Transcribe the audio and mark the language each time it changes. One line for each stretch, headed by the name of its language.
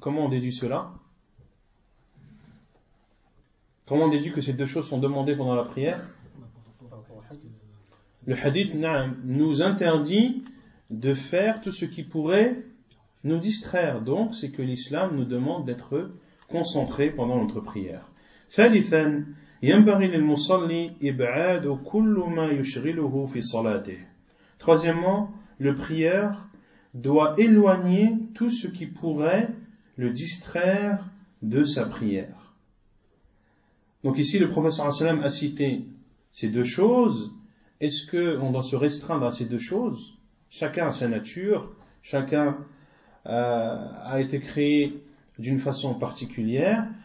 French: Comment on déduit cela ? Comment on déduit que ces deux choses sont demandées pendant la prière ? Le hadith nous interdit de faire tout ce qui pourrait nous distraire. Donc, c'est que l'islam nous demande d'être concentrés pendant notre prière.
Arabic: Thalithan, ينبغي للمصلي إبعاد كل ما يشغله في صلاته.
French: Troisièmement, le prieur doit éloigner tout ce qui pourrait le distraire de sa prière. Donc ici, le professeur Hassan a cité ces deux choses. Est-ce qu'on doit se restreindre à ces deux choses? Chacun a sa nature, chacun a été créé d'une façon particulière.